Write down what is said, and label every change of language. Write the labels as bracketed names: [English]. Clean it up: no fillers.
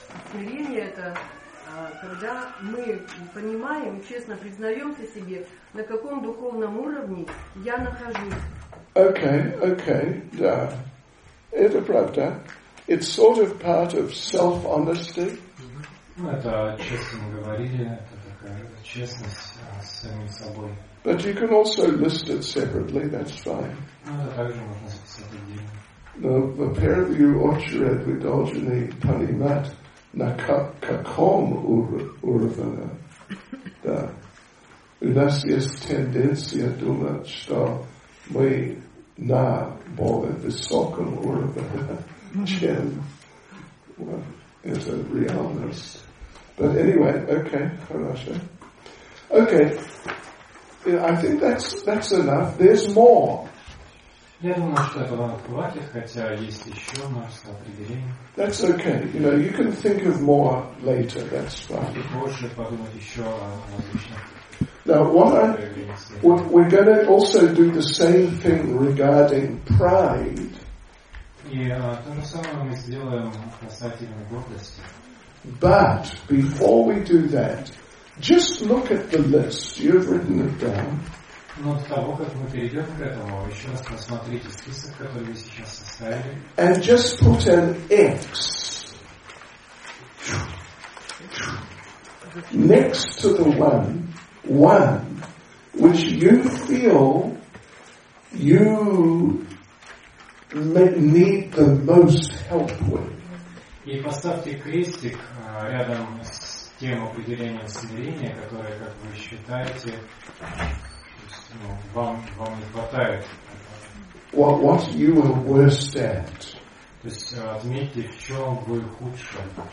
[Russian] Смирение — это когда мы понимаем, честно признаемся себе, на каком духовном уровне я нахожусь. Okay, да. Это правда. [English] It's sort of part of self-honesty. [Russian] Ну, это честно мы говорили, это такая честность с самим собой. [English] But you can also list it separately, that's fine. [Russian] Ну, это также можно записать отдельно. [English] The pair of you [Russian] очеред видолжены понимать, на каком уровне. Да. У нас есть тенденция думать, что мы на более высоком уровне, чем это реальность. [English] But anyway, okay, [Russian] хорошо. [English] Okay, I think that's enough. There's more. [Russian] Я думаю, что это вам хватит, хотя есть еще масса определений. [English] That's okay. You know, you can think of more later. That's fine. [Russian] Позже подумать еще о различных. [English] Now, we're going to also do the same thing regarding pride. [Russian] И то же самое мы сделаем касательно гордости. [English] But before we do that, just look at the list. You've written it down. [Russian] Но до того, как мы перейдем к этому, еще раз посмотрите список, который вы сейчас составили. [English] And just put an X. next to the one which you feel you need the most help with. [Russian] И поставьте крестик рядом с тем определением смирения, которое, как вы считаете, вам не хватает. [English] What you are worst at. [Russian] То есть отметьте, в чем вы худшие.